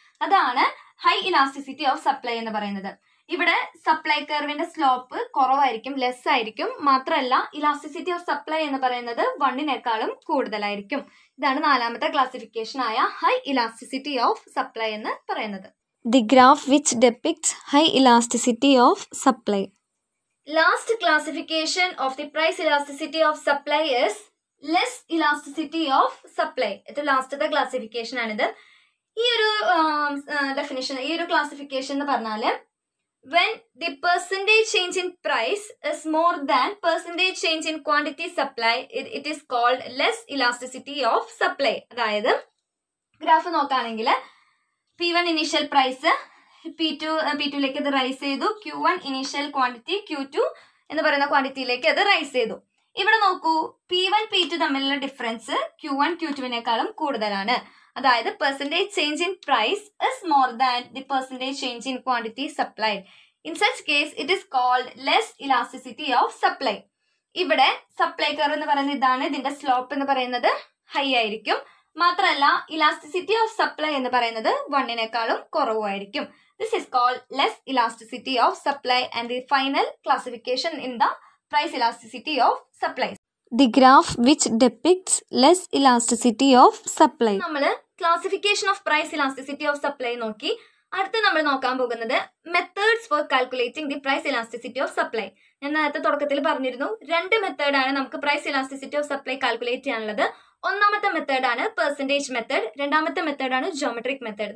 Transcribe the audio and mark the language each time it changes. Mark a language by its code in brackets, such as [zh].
[ml] അതാണ് high elasticity of supply എന്ന് പറയുന്നത്. ഇവിടെ സപ്ലൈ കർവിന്റെ സ്ലോപ്പ് കുറവായിരിക്കും, ലെസ് ആയിരിക്കും. മാത്രമല്ല ഇലാസ്റ്റിസിറ്റി ഓഫ് സപ്ലൈ എന്ന് പറയുന്നത് വണ്ണിനേക്കാളും കൂടുതലായിരിക്കും. ഇതാണ് നാലാമത്തെ ക്ലാസിഫിക്കേഷൻ ആയ ഹൈ ഇലാസ്റ്റിസിറ്റി ഓഫ് സപ്ലൈ എന്ന് പറയുന്നത്. [en] The graph which depicts high elasticity of supply. Last classification of the price elasticity of supply is less elasticity of supply. [ml] ഇത് ലാസ്റ്റ് ക്ലാസിഫിക്കേഷൻ ആണിത്. ഈ ഒരു ഡെഫിനിഷൻ, ഈ ഒരു ക്ലാസിഫിക്കേഷൻ എന്ന് പറഞ്ഞാല് [en] When the percentage change in price is more than percentage change in quantity supply it is called less elasticity of supply. [ml] അതായത് graph നോക്കുകയാണെങ്കിൽ P one initial price P ടുവിലേക്ക് ഇത് റൈസ് ചെയ്തു. Q one initial quantity Q to എന്ന് പറയുന്ന ക്വാണ്ടിറ്റിയിലേക്ക് അത് rice ചെയ്തു. ഇവിടെ നോക്കൂ, പി വൺ പി ടു തമ്മിലുള്ള ഡിഫറൻസ് ക്യൂ വൺ ക്യൂ ടുവിനേക്കാളും കൂടുതലാണ്. അതായത് [en] Percentage change in price is more than the percentage change in quantity supply. In such case it is called less elasticity of supply. [ml] ഇവിടെ supply curve എന്ന് പറയുന്ന ഇതാണ്, ഇതിന്റെ slope എന്ന് പറയുന്നത് ഹൈ ആയിരിക്കും. മാത്രമല്ല ഇലാസ്റ്റിസിറ്റി ഓഫ് സപ്ലൈ എന്ന് പറയുന്നത് വണ്ണിനേക്കാളും കുറവായിരിക്കും. [en] This is called less elasticity of supply and the final classification in the price elasticity of supply. The graph which depicts less elasticity of supply. [ml] നമ്മൾ [en] classification of price elasticity of supply [ml] നോക്കി. അടുത്ത് നമ്മൾ നോക്കാൻ പോകുന്നത് [en] methods for calculating the price elasticity of supply. [ml] ഞാൻ നേരത്തെ തുടക്കത്തിൽ പറഞ്ഞിരുന്നു രണ്ട് മെത്തേഡ് ആണ് നമുക്ക് price elasticity of supply calculate ചെയ്യാനുള്ളത്. ഒന്നാമത്തെ മെത്തേഡ് ആണ് പെർസെൻറ്റേജ് മെത്തേഡ്, രണ്ടാമത്തെ മെത്തേഡ് ആണ് ജോമെട്രിക് മെത്തേഡ്.